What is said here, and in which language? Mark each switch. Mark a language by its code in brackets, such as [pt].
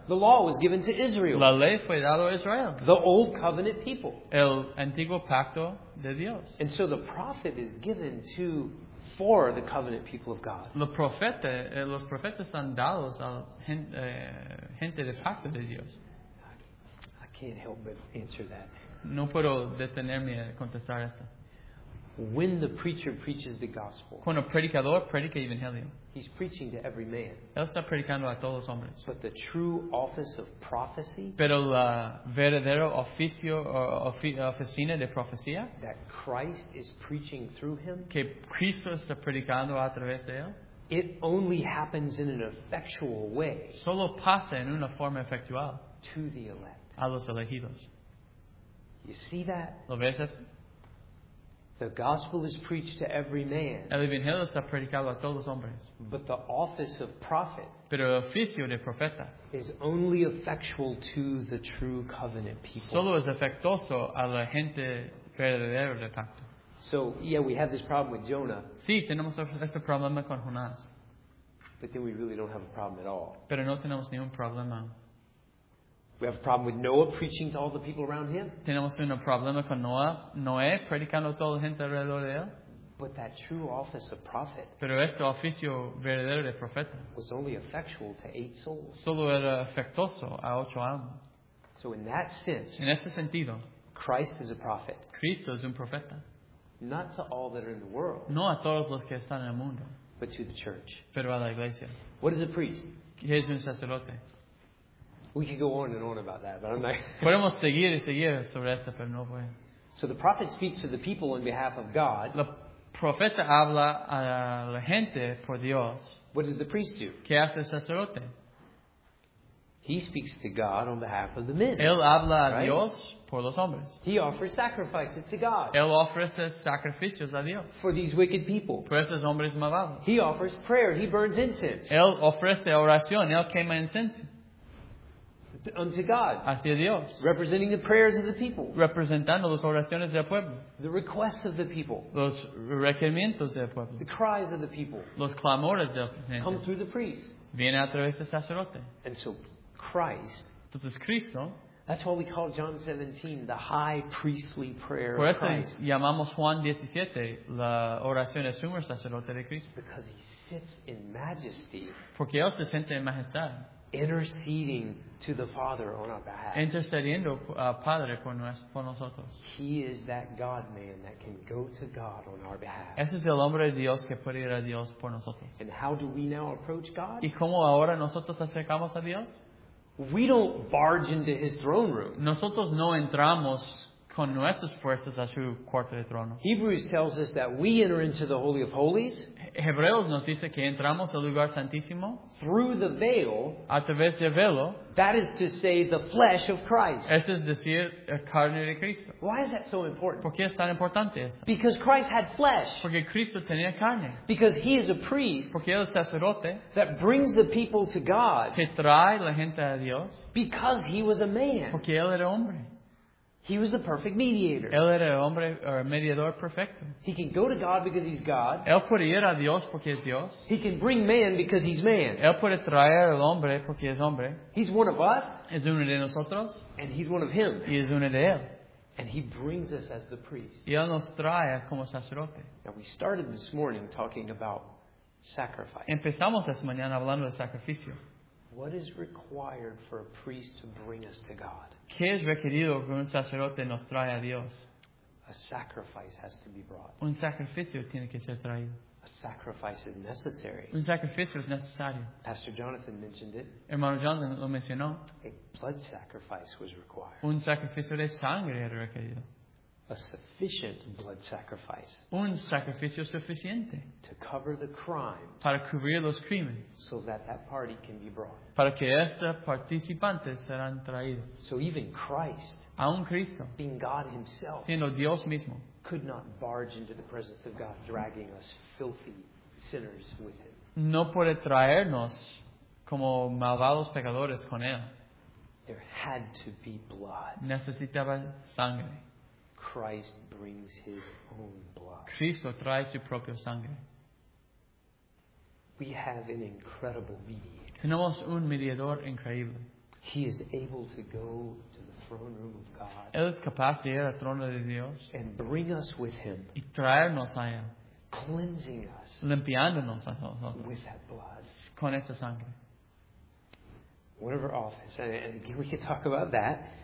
[en] The law was given to Israel. [es] La ley fue dada a Israel. [en] The old covenant people. [es] El antiguo pacto de Dios. [en] And so the prophet is given to for the covenant people of God. [es] Los profetas están dados a gente de pacto de Dios. [en] I can't help but answer that. [es] No puedo detenerme a contestar esto. [en] When the preacher preaches the gospel, [es] cuando el predicador predica el evangelio, [en] he's preaching to every man. [es] Él está predicando a todos los hombres. [en] But the true office of prophecy, [es] pero el verdadero oficio o oficina de profecía, [en] that Christ is preaching through him, [es] que Cristo está predicando a través de él, [en] it only happens in an effectual way, [es] solo pasa en una forma efectual, [en] to the elect, [es] a los elegidos. [en] You see that? [es] ¿Lo ves eso? [en] The gospel is preached to every man. [es] El evangelio está predicado a todos los hombres. [en] But the office of prophet, [es] pero el oficio de profeta, [en] is only effectual to the true covenant people. [es] Solo es efectuoso a la gente verdadera del pacto. [en] So, yeah, we have this problem with Jonah. [es] Sí, tenemos este problema con Jonás. [en] But then we really don't have a problem at all. [es] Pero no tenemos ningún problema. [en] We have a problem with Noah preaching to all the people around him. [es] Tenemos un problema con Noah. Noé predicando a toda la gente alrededor de él. [en] But that true office of prophet. [es] Pero este oficio verdadero de profeta. [en] Was only effectual to 8 souls. [es] Solo era efectuoso a 8 almas. [en] So in that sense. [es] En este sentido. [en] Christ is a prophet. [es] Cristo es un profeta. [en] Not to all that are in the world. [es] No a todos los que están en el mundo. [en] But to the church. [es] Pero a la iglesia. [en] What is a priest? [es] ¿Qué es un sacerdote? [en] We could go on and on about that, but I'm not. [es] Podemos seguir y seguir sobre esto, pero no voy. [en] So the prophet speaks to the people on behalf of God. [es] El profeta habla a la gente por Dios. [en] What does the priest do? [es] ¿Qué hace el sacerdote? [en] He speaks to God on behalf of the men. [es] Él habla a Dios por los hombres. [en] He offers sacrifices to God. [es] Él ofrece sacrificios a Dios. [en] For these wicked people. [es] Por esos hombres malvados. [en] He offers prayer. He burns incense. [es] Él ofrece oración. Él quema incense. [en] Unto God. [es] Hacia Dios. [en] Representing the prayers of the people. [es] Representando las oraciones del pueblo. [en] The requests of the people. [es] Los requerimientos del pueblo. [en] The cries of the people. [es] Los clamores del pueblo. [en] Come through the priest. [es] Viene a través del sacerdote. [en] And so Christ. [es] Entonces Cristo. [en] That's why we call John 17 the high priestly prayer of Christ. [es] Por eso llamamos Juan 17 la oración del sumo sacerdote de Cristo. [en] Because he sits in majesty. [es] Porque él se siente en majestad. [en] Interceding to the Father on our behalf. [es] Intercediendo al Padre por nosotros. [en] He is that God-man that can go to God on our behalf. [es] Ese es el hombre de Dios que puede ir a Dios por nosotros. [en] And how do we now approach God? [es] ¿Y cómo ahora nosotros acercamos a Dios? [en] We don't barge into his throne room. [es] Nosotros no entramos con nuestras fuerzas a su cuarto de trono. [en] Hebrews tells us that we enter into the Holy of Holies. [es] Hebreos nos dice que entramos al lugar santísimo. [en] Through the veil. [es] A través del velo. [en] That is to say the flesh of Christ. [es] Eso es decir, la carne de Cristo. [en] Why is that so important? [es] ¿Por qué es tan importante eso? [en] Because Christ had flesh. [es] Porque Cristo tenía carne. [en] Because he is a priest. [es] Porque él es sacerdote. [en] That brings the people to God. [es] Que trae la gente a Dios. [en] Because he was a man. [es] Porque él era hombre. [en] He was the perfect mediator. [es] Él era el hombre, el mediador perfecto. [en] He can go to God because he's God. [es] Él puede ir a Dios porque es Dios. [en] He can bring man because he's man. [es] Él puede traer al hombre porque es hombre. [en] He's one of us. [es] Es uno de nosotros. [en] And he's one of him. [es] Y es uno de él. [en] And he brings us as the priest. [es] Y él nos trae como sacerdote. [en] Now we started this morning talking about sacrifice. [es] Empezamos esta mañana hablando de sacrificio. [en] What is required for a priest to bring us to God? [es] ¿Qué es requerido que un sacerdote nos trae a Dios? [en] A sacrifice has to be brought. [es] Un sacrificio tiene que ser traído. [en] A sacrifice is necessary. [es] Un sacrificio es necesario. [en] Pastor Jonathan mentioned it. [es] Hermano Jonathan lo mencionó. [en] A blood sacrifice was required. [es] Un sacrificio de sangre era requerido. [en] A sufficient blood sacrifice. [es] Un sacrificio suficiente. [en] To cover the crime. [es] Para cubrir los crímenes. [en] So that that party can be brought. [es] Para que estos participantes serán traídos. [en] So even Christ. [es] Aún Cristo. [en] Being God himself. [es] Siendo Dios mismo. [en] Could not barge into the presence of God dragging us filthy sinners with him. [es] No puede traernos como malvados pecadores con él. [en] There had to be blood. [es] Necesitaba sangre. [en] Christ brings his own blood. [es] Cristo trae su propia sangre. [en] We have an incredible mediator. [es] Tenemos un mediador increíble. [en] He is able to go to the throne room of God. [es] Él es capaz de ir al trono de Dios. [en] And bring us with him. [es] Y traernos a él. [en] Cleansing us. [es] Limpiándonos a nosotros. [en] With that blood. [es] Con esa sangre. [en] Whatever office, and again we can talk about that.